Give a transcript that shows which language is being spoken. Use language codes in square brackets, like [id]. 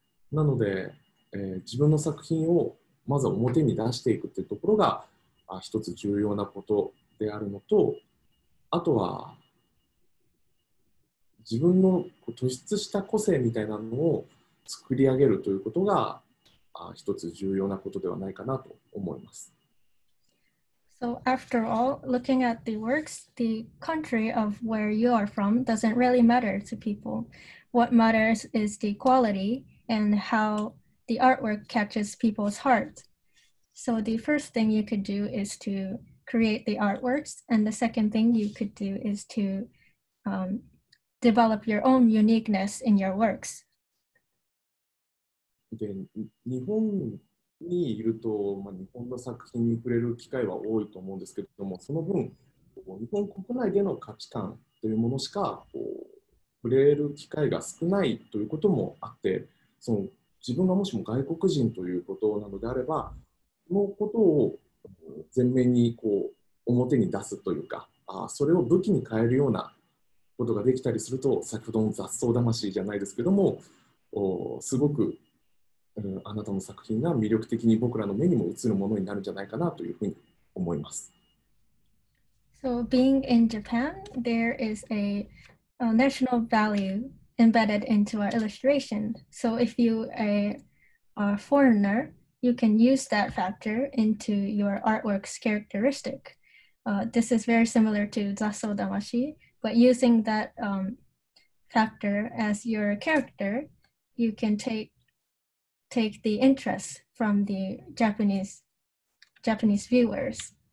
[ja] なので、自分の作品をまず表に出していくっていうところが一つ重要なことであるのと、あとは自分の突出した個性みたいなのを作り上げるということが一つ重要なことではないかなと思います。 [en] So after all, looking at the works, the country of where you are from doesn't really matter to people. What matters is the quality and how the artwork catches people's heart. So the first thing you could do is to create the artworks, and the second thing you could do is to develop your own uniqueness in your works. [ja] で日本にいると、日本の作品に触れる機会は多いと思うんですけれども、その分、日本国内での価値観というものしかこう触れる機会が少ないということもあって、その自分がもしも外国人ということなのであれば、そのことを前面にこう表に出すというか、それを武器に変えるようなことができたりすると、先ほどの雑草魂じゃないですけれども、すごくあなたの作品が魅力的に僕らの目にも映るものになるんじゃないかなというふうに思います。 [en] So being in Japan, there is a national value embedded into our illustration. So if you are a foreigner, you can use that factor into your artwork's characteristic. This is very similar to Zasso Damashi, but using that factor as your character, you can take the interest from the Japanese viewers.